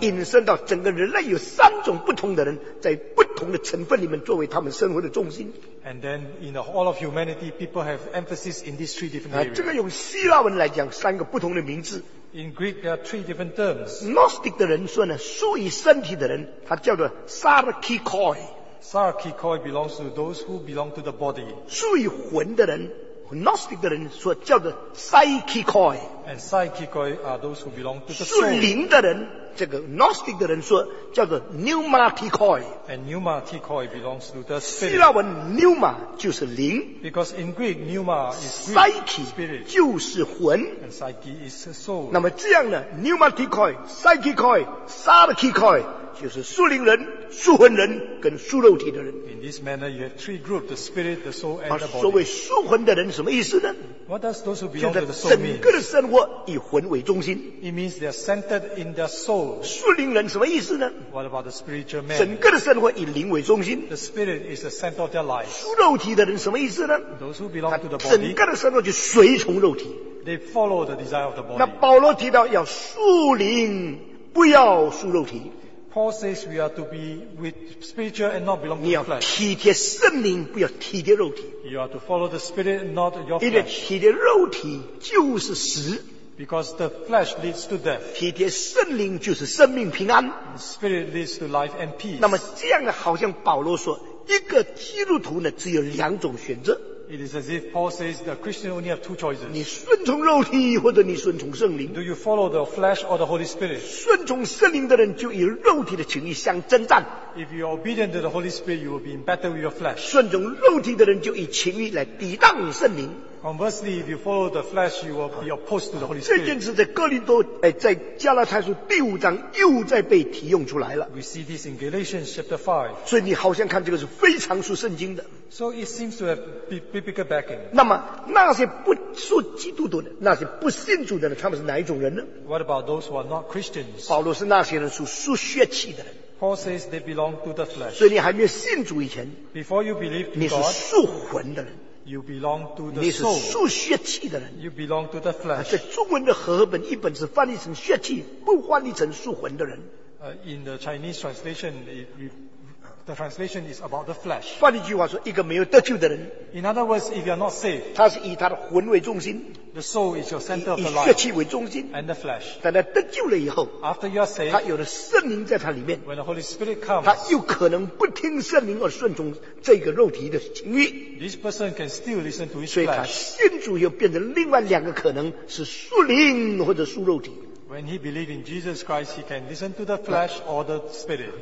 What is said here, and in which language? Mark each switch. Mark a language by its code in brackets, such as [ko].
[zh] 引申到整个人类有三种不同的人，在不同的成分里面作为他们生活的重心。 [en] And then in all of humanity, people have emphasis in these three different areas. [zh] 这个用希腊文来讲，三个不同的名字。 [en] In Greek, there are three different terms. [zh] Gnostic 的人说呢，属于身体的人，他叫做 sarkikoi。 [en] Sarkikoi belongs to those who belong to the body. [zh] 属于魂的人 ，Gnostic 的人所叫的 psychikoi。 [en] And psychikoi are those who belong to the soul. [zh] 属灵的人，这个 Gnostic 的人说叫做 pneumatikoi。 [en] And pneumatikoi belongs to the spirit. [zh] 希腊文 pneuma 就是灵。 [en] Because in Greek, pneuma is psyche, spirit. [zh] 就是魂。 [en] And psyche is the soul. [zh] 那么这样呢 ，pneumatikoi, psychikoi, sarkikoi。就是属灵人、属魂人跟属肉体的人。 [en] In this manner, you have three groups: the spirit, the soul, and the body. [zh] 所谓属魂的人什么意思呢 [en] ？What does those who belong to the soul mean? [zh] 就是整个的生活以魂为中心。 [en] It means they are centered in their soul. [zh] 属灵人什么意思呢 [en] ？What about the spiritual man? [zh] 整个的生活以灵为中心。 [en] The spirit is the center of their life. [zh] 属肉体的人什么意思呢 [en] ？Those who belong to the body. [zh] 整个的生活就随从肉体。 [en] They follow the desire of the body. [zh] 那保罗提到要属灵，不要属肉体。 [en] Paul says we are to be with spiritual and not belong to the flesh. [zh] 你要体贴圣灵，不要体贴肉体。 [en] You are to follow the spirit, not your flesh. [zh] 因为体贴肉体就是死。 [en] Because the flesh leads to death. [zh] 体贴圣灵就是生命平安。 [en] Spirit leads to life and peace. [zh] 那么这样呢，好像保罗说，一个基督徒呢，只有两种选择。 [en] It is as if Paul says the Christian only have two choices. [zh] 你顺从肉体或者你顺从圣灵。 [en] Do you follow the flesh or the Holy Spirit? [zh] 顺从圣灵的人就以肉体的情欲相征战。 [en] If you are obedient to the Holy Spirit, you will be in battle with your flesh. [zh] 顺从肉体的人就以情欲来抵挡圣灵。 [en] Conversely, if you follow the flesh, you will be opposed to the Holy Spirit. [zh] 这件事在哥林多，在加拉太书第五章又在被提用出来了。 [en] We see this in Galatians chapter 5. [zh] 所以你好像看这个是非常属圣经的。 [en] So it seems to have biblical backing. [zh] 那么那些不属基督徒的，那些不信主的人，他们是哪一种人呢 [en] ？What about those who are not Christians? [zh] 保罗是那些人属属血气的人。 [en] Paul says they belong to the flesh. [zh] 所以你还没有信主以前 [en] ，Before you believe to God, [zh] 你是属魂的人。 [en] You belong to the soul. [zh] 你是属血气的人。 [en] You belong to the flesh. [zh] 在中文的和合本，一本是翻译成血气，不翻译成属魂的人。 [en] In the Chinese translation, it The translation is about the flesh. [zh] 换句话说, 一个没有得救的人, [en] In other words, if you are not saved, [zh] 他是以他的魂为中心, [en] the soul is your center of the life, [zh] 以血气为中心, [en] and the flesh. [zh] 但他得救了以后, [en] after you are saved, [zh] 他有了圣灵在他里面, [en] when the Holy Spirit comes, [zh] 他又可能不听圣灵而顺从这个肉体的情欲, [en] this person can still listen to his flesh. [zh] 所以他信主又变成另外两个可能, 是属灵或者属肉体。 [en] When he believes in Jesus Christ, he can listen to the flesh or the spirit.